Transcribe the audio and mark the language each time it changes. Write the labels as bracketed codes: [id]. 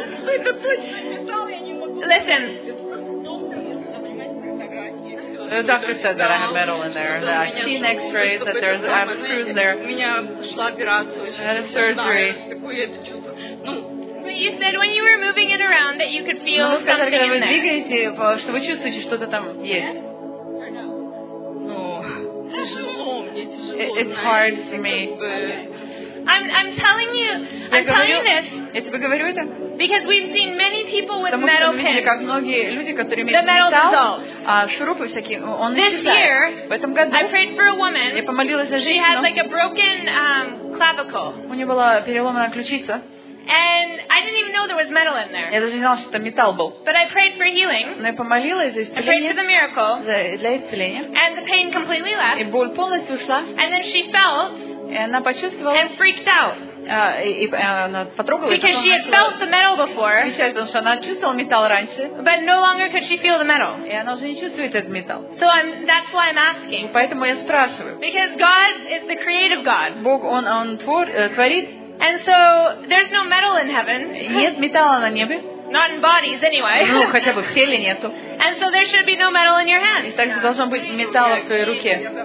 [ru] Это точно металл, я не могу... [en] Listen. The doctor said that I have metal in there. That I've seen X-rays. That there's, I have screws there. [ru] У меня шла операция. [en] I had a surgery. But you said when you were moving it around that you could feel something in there. [ru] Ну, когда вы двигаете, что вы чувствуете, что-то там есть. Ну, тяжело мне, тяжело. [en] It's hard for me. I'm telling you, [ru] я тебе говорю это, [en] because we've seen many people with metal pins. [ru] Потому что мы видели, как многие люди, которые имеют металл, шурупы всякие, он исчезает. [en] This year, [ru] в этом году, [en] I prayed for a woman. [ru] Я помолилась за женщину. [en] She had like a broken clavicle. [ru] У нее была переломанная ключица. [en] And I didn't even know there was metal in there. [ru] Я даже не знала, что там металл был. [en] But I prayed for healing. [ru] Но я помолилась за исцеление. [en] I prayed for the miracle. [ru] Для исцеления. [en] And the pain completely left. [ru] И боль полностью ушла. [en] And then she felt. [ru] И она почувствовала. [en] And freaked out. [ru] Она потрогала. [en] Because she had felt the metal before. [ru] Потому что она чувствовала металл раньше. [en] But no longer could she feel the metal. [ru] И она уже не чувствует этот металл. [en] So I'm. That's why I'm asking. [ru] Поэтому я спрашиваю. [en] Because God is the creative God. [ru] Бог он творит. [en] And so there's no metal in heaven. [ru] Нет металла на небе. [en] Not in bodies anyway. [ru] Ну хотя бы в теле нету. [en] And so there should be no metal in your hand. [ru] И также должно быть металла в твоей руке.